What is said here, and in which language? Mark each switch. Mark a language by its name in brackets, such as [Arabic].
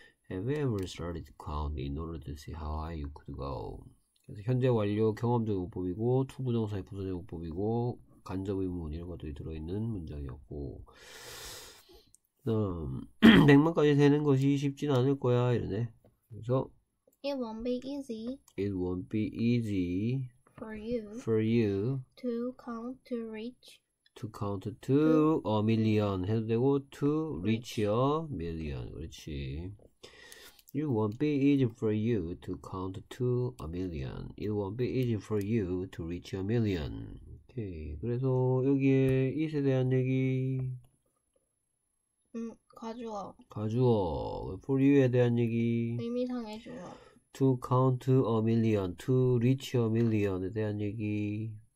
[English] Have you ever started counting in order to see how high you could go? [Korean] 그래서 현재 완료 경험적 용법이고 투부정사의 분사적 용법이고 간접 의문 이런 것들이 들어있는 문장이었고. 100만까지 되는 것이 쉽진 않을 거야 이러네. 그래서 [English] It won't be easy It won't be easy for you for you to count to reach to count to a million [Korean] 해도 되고 [English] to reach rich. a million [Korean] 그렇지. [English] It won't be easy for you to count to a million. It won't be easy for you to reach a million. [Korean] 오케이. 그래서 여기에 it에 대한 얘기 가져와. 가주어 for you에 대한 얘기 의미상의 주어. [English] to count a million to reach a million에 대한 얘기